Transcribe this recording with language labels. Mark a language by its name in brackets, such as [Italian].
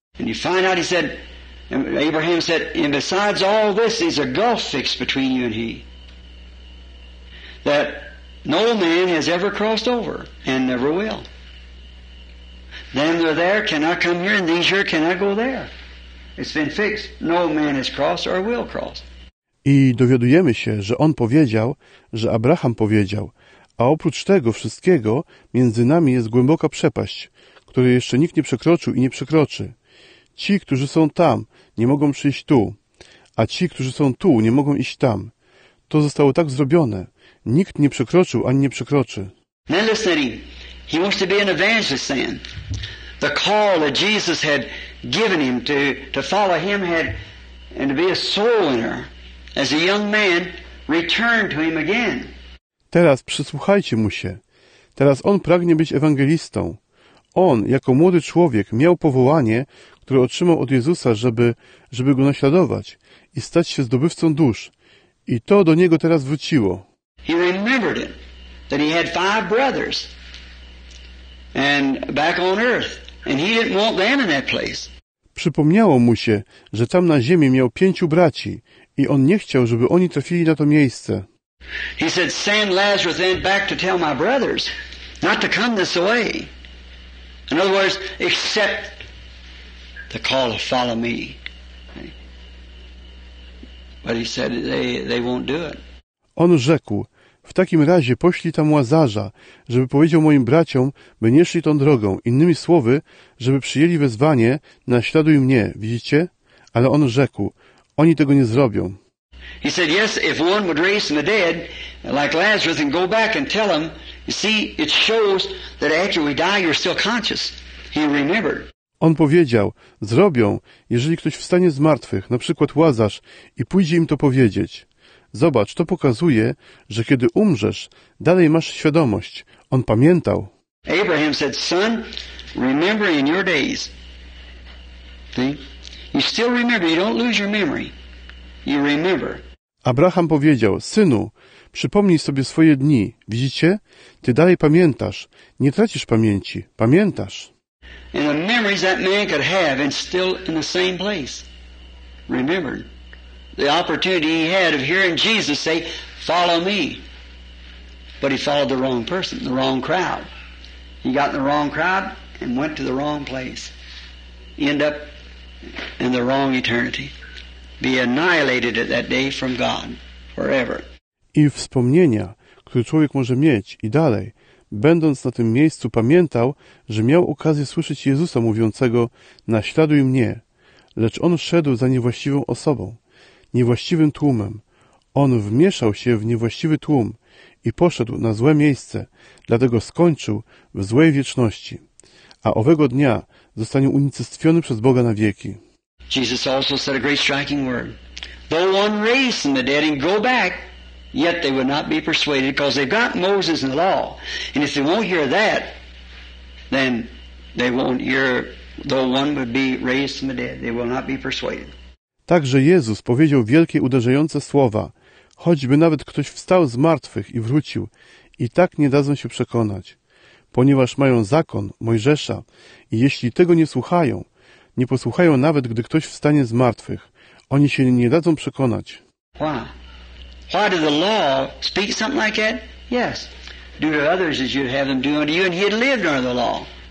[English] And you find out, he said, Abraham said, and besides all this, there's a gulf fixed between you and he. That no man has ever crossed over, and never will. Them that are there cannot come here, and these here cannot go there. It's been fixed. No man has crossed or will cross. [Polish] I dowiadujemy się, że on powiedział, że Abraham powiedział, a oprócz tego wszystkiego między nami jest głęboka przepaść, której jeszcze nikt nie przekroczył i nie przekroczy. Ci, którzy są tam, nie mogą przyjść tu, a ci, którzy są tu, nie mogą iść tam. To zostało tak zrobione. Nikt nie przekroczył ani nie przekroczy. [English] Now listen to him. He wants to be an evangelist then. The call that Jesus had given him to follow him had and to be a soul winner as a young man returned to him again. [Polish] Teraz przysłuchajcie mu się. Teraz on pragnie być ewangelistą. On, jako młody człowiek, miał powołanie, które otrzymał od Jezusa, żeby go naśladować i stać się zdobywcą dusz. I to do niego teraz wróciło. [English] He remembered it, that he had five brothers and back on earth. And he didn't want them in that place. [Polish] Przypomniało mu się, że tam na ziemi miał pięciu braci i on nie chciał, żeby oni trafili na to miejsce. [English] He said, send Lazarus then back to tell my brothers not to come this way. In other words, accept the call to follow me. But he said, they won't do it. [Polish] On rzekł, w takim razie poślij tam Łazarza, żeby powiedział moim braciom, by nie szli tą drogą. Innymi słowy, żeby przyjęli wezwanie, naśladuj mnie, widzicie? Ale on rzekł, oni tego nie zrobią. [English] He said, yes, if one would raise from the dead, like Lazarus, and go back and tell him, you see, it shows that after we die, you're still conscious. He remembered. [Polish] On powiedział, zrobią, jeżeli ktoś wstanie z martwych, na przykład Łazarz, i pójdzie im to powiedzieć. Zobacz, to pokazuje, że kiedy umrzesz, dalej masz świadomość. On pamiętał. [English] Abraham said, son, remember in your days. See? You still remember, you don't lose your memory. You remember. [Polish] Abraham powiedział, synu, przypomnij sobie swoje dni. Widzicie? Ty dalej pamiętasz. Nie tracisz pamięci. Pamiętasz. [English] And the memories that man could have and still in the same place. Remember. The opportunity he had of hearing Jesus say, follow me. But he followed the wrong person, the wrong crowd. He got in the wrong crowd and went to the wrong place. End up in the wrong eternity. Be annihilated at that day from God forever. [Polish] I wspomnienia, które człowiek może mieć i dalej, będąc na tym miejscu, pamiętał, że miał okazję słyszeć Jezusa mówiącego, naśladuj mnie. Lecz on szedł za niewłaściwą osobą. Niewłaściwym tłumem. On wmieszał się w niewłaściwy tłum i poszedł na złe miejsce, dlatego skończył w złej wieczności, a owego dnia zostanie unicestwiony przez Boga na wieki. [English] Jesus also said a great striking word. Though one raised from the dead and go back, yet they would not be persuaded, because they've got Moses and the law. And if they won't hear that, then they won't hear, though one would be raised from the dead, they will not be persuaded. [Polish] Także Jezus powiedział wielkie, uderzające słowa. Choćby nawet ktoś wstał z martwych i wrócił, i tak nie dadzą się przekonać. Ponieważ mają zakon Mojżesza i jeśli tego nie słuchają, nie posłuchają nawet, gdy ktoś wstanie z martwych, oni się nie dadzą przekonać. [English] Why did the law speak something like that? Yes. Do to others as you'd have them do unto you, and he had lived under the law.